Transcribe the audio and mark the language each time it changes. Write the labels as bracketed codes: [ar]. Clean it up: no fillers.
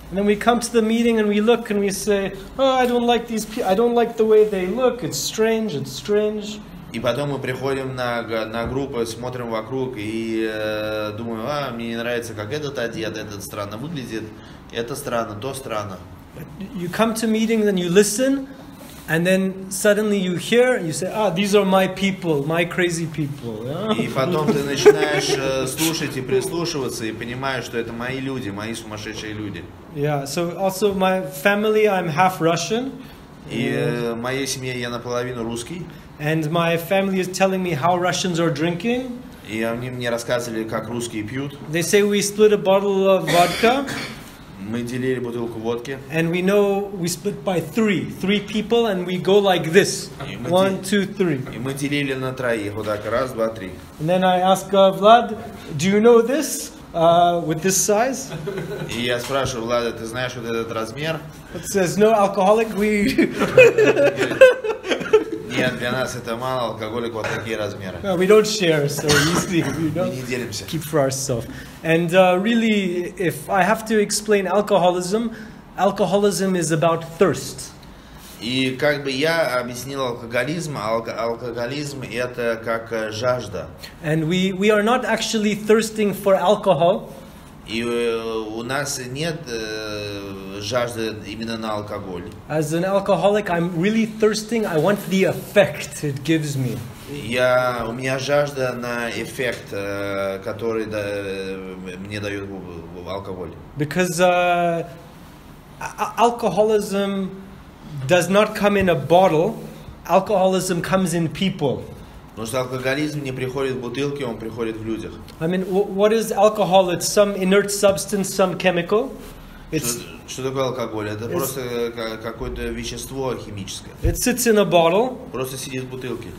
[en] And then we come to the meeting and we look and we say, oh, I don't like these people. I don't like the way they look. It's strange. It's strange. [ru] И потом мы приходим на группу, смотрим вокруг и думаем, а мне не нравится, как этот одет, этот странно выглядит, это странно, то странно. [en] You come to meetings and you listen, and then suddenly you hear, you say, ah, these are my people, my crazy people. [ru] И потом ты начинаешь слушать и прислушиваться, и понимаешь, что это мои люди, мои сумасшедшие люди. [en] Yeah, so also my family, I'm half Russian. [ru] И моей семье я наполовину русский. [en] And my family is telling me how Russians are drinking. [ru] И они мне рассказывали, как русские пьют. [en] They say we split a bottle of vodka. [ru] Мы делили бутылку водки. [en] And we know we split by three people, and we go like this. One, two, three. [ru] И мы делили на троих, вот так, раз, два, три. [en] And then I ask Vlad, do you know this with this size? [ru] И я спрашиваю Влада, ты знаешь вот этот размер? [en] It says no alcoholic. We. [ru] Нет, для нас это мало, алкоголик вот такие размеры. [en] We don't share, so easily, you know. [ru] Мы не делимся. [en] Keep for ourselves. And really, if I have to explain alcoholism, alcoholism is about thirst. [ru] И как бы я объяснил алкоголизм, алкоголизм это как жажда. [en] And we are not actually thirsting for alcohol. [ru] И у нас нет жажды именно на алкоголь. [en] As an alcoholic, I'm really thirsting. I want the effect it gives me. [ru] У меня жажда на эффект, который мне дает алкоголь. [en] Because alcoholism does not come in a bottle. Alcoholism comes in people. [ru] Потому что алкоголизм не приходит в бутылке, он приходит в людях. [en] I mean, what is alcohol? It's some inert substance, some chemical. [ru] Что такое алкоголь? Это просто какое-то вещество химическое. [en] It sits in a bottle. [ru] Просто сидит в бутылке.